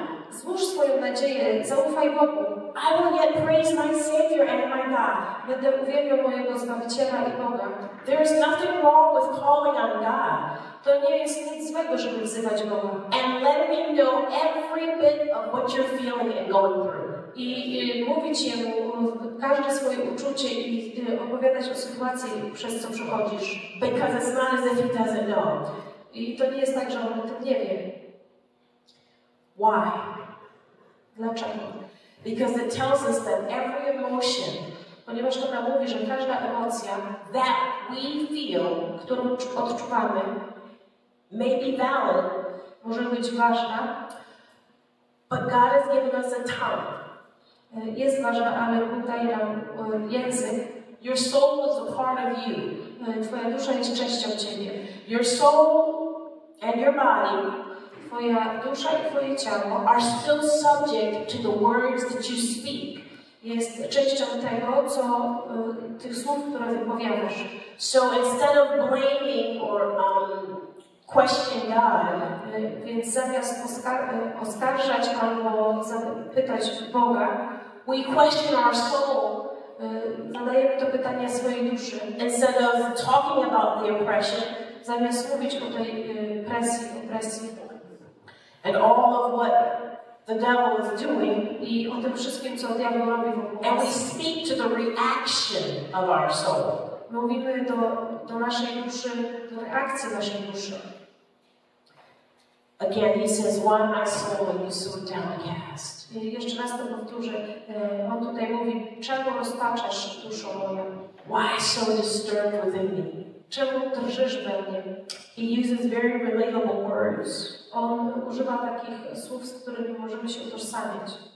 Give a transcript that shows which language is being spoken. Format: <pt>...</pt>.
<pl>Złóż swoją nadzieję, zaufaj Bogu.</pl> <en>I will yet praise my Savior and my God.</en> <pl>Będę uwielbiał mojego Zbawiciela i Boga.</pl> <en>There is nothing wrong with calling on God.</en> <pl>To nie jest nic złego, żeby wzywać Boga.</pl> <en>And let me know every bit of what you're feeling and going through.</en> <pl>I mówić Jemu każde swoje uczucie i opowiadać o sytuacji, przez co przechodzisz.</pl> <en>Because it's not as if he doesn't know.</en> <pl>I to nie jest tak, że on o tym nie wie.</pl> <en>Why?</en> <pl>Dlaczego?</pl> <en>Because it tells us that every emotion,</en> <pl>ponieważ to nam mówi, że każda emocja,</pl> <en>that we feel,</en> <pl>którą odczuwamy,</pl> <en>may be valid,</en> <pl>może być ważna,</pl> <en>but God has given us a tongue.</en> <pl>Jest ważna, ale Bóg daje nam język.</pl> <en>Your soul is a part of you.</en> <pl>Twoja dusza jest częścią ciebie.</pl> <en>Your soul and your body.</en> <pl>Twoja dusza i twoje ciało</pl> <en>are still subject to the words that you speak.</en> <pl>Jest częścią tego, co tych słów, które wypowiadasz.</pl> <en>So instead of blaming or question God,</en> <pl>więc zamiast oskarżać albo pytać Boga,</pl> <en>we question our soul.</en> <pl>Zadajemy to pytanie swojej duszy.</pl> <en>Instead of talking about the oppression,</en> <pl>zamiast mówić o tej opresji.</pl> <en>And all of what the devil is doing,</en> <pl>i o tym wszystkim, co diabeł robi wokół nas.</pl> <en>And we speak to the reaction of our soul.</en> <pl>Mówimy do naszej duszy, do reakcji naszej duszy.</pl> <en>Again, he says, why my soul are you so downcast?</en> <pl>I jeszcze raz to powtórzę. On tutaj mówi, czemu rozpaczasz duszą moją?</pl> <en>Why so disturbed within me?</en> <pl>Czemu drżysz we mnie?</pl> <en>He uses very relatable words.</en> <pl>On używa takich słów, z którymi możemy się utożsamić.</pl>